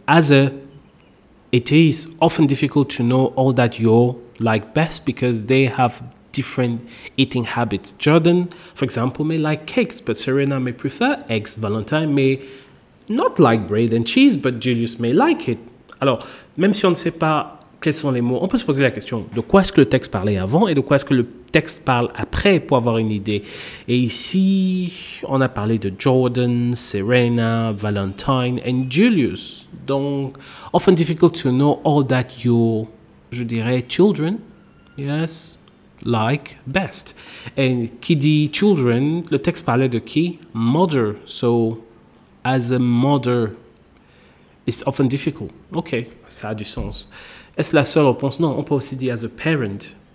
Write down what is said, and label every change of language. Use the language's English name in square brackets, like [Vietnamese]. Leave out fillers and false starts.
[English] As a, it is often difficult to know all that you like best because they have different eating habits. Jordan, for example, may like cakes, but Serena may prefer eggs. Valentine may not like bread and cheese, but Julius may like it. [French] Alors, même si on ne sait pas quels sont les mots, on peut se poser la question de quoi est-ce que le texte parlait avant et de quoi est-ce que le texte parle après pour avoir une idée. Et ici, on a parlé de Jordan, Serena, Valentine and Julius. [English] Donc, often difficult to know all that your, [French] je dirais, [English] children, yes, like best. [French] Et qui dit children, le texte parlait de qui? [English] Mother. So, as a mother, it's often difficult. [French] Ok, ça a du sens. Est-ce la seule réponse? Non, on peut aussi dire [English] as a parent.